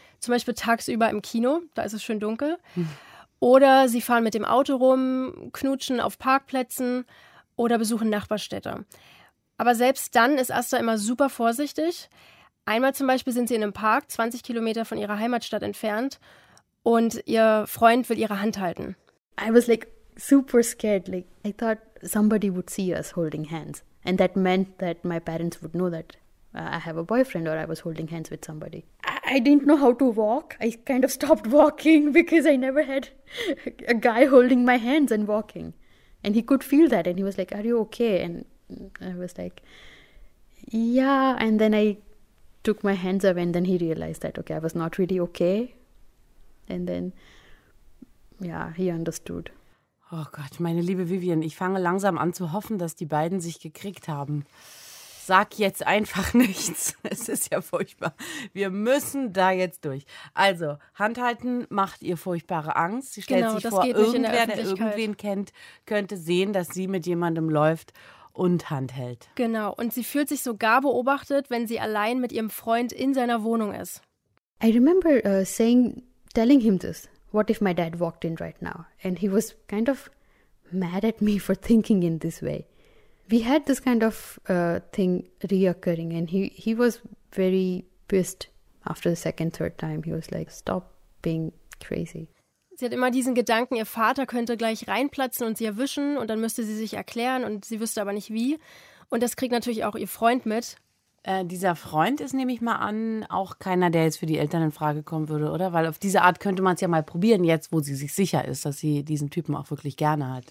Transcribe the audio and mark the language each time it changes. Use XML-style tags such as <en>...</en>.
<de>Zum Beispiel tagsüber im Kino, da ist es schön dunkel. Oder sie fahren mit dem Auto rum, knutschen auf Parkplätzen oder besuchen Nachbarstädte. Aber selbst dann ist Asta immer super vorsichtig. Einmal zum Beispiel sind sie in einem Park, 20 Kilometer von ihrer Heimatstadt entfernt. Und ihr Freund will ihre Hand halten.</de> <en>I was like super scared. Like I thought somebody would see us holding hands. And that meant that my parents would know that I have a boyfriend or I was holding hands with somebody. I didn't know how to walk. I kind of stopped walking because I never had a guy holding my hands and walking. And he could feel that and he was like, are you okay? And I was like, yeah. And then I took my hands away and then he realized that, okay, I was not really okay. And then, yeah, he understood.</en> <de>Oh Gott, meine liebe Vivian, ich fange langsam an zu hoffen, dass die beiden sich gekriegt haben. Sag jetzt einfach nichts. Es ist ja furchtbar. Wir müssen da jetzt durch. Also, Handhalten macht ihr furchtbare Angst. Sie stellt genau, sich vor, irgendwer, der irgendwen kennt, könnte sehen, dass sie mit jemandem läuft und Hand hält. Genau. Und sie fühlt sich sogar beobachtet, wenn sie allein mit ihrem Freund in seiner Wohnung ist.</de> <en>I remember telling him this. What if my dad walked in right now? And he was kind of mad at me for thinking in this way. We had this kind of thing reoccurring and he was very pissed after the second, third time. He was like, stop being crazy.</en> <de>Sie hat immer diesen Gedanken, ihr Vater könnte gleich reinplatzen und sie erwischen und dann müsste sie sich erklären und sie wüsste aber nicht wie. Und das kriegt natürlich auch ihr Freund mit. Dieser Freund ist, nehme ich mal an, auch keiner, der jetzt für die Eltern in Frage kommen würde, oder? Weil auf diese Art könnte man es ja mal probieren, jetzt, wo sie sich sicher ist, dass sie diesen Typen auch wirklich gerne hat.</de>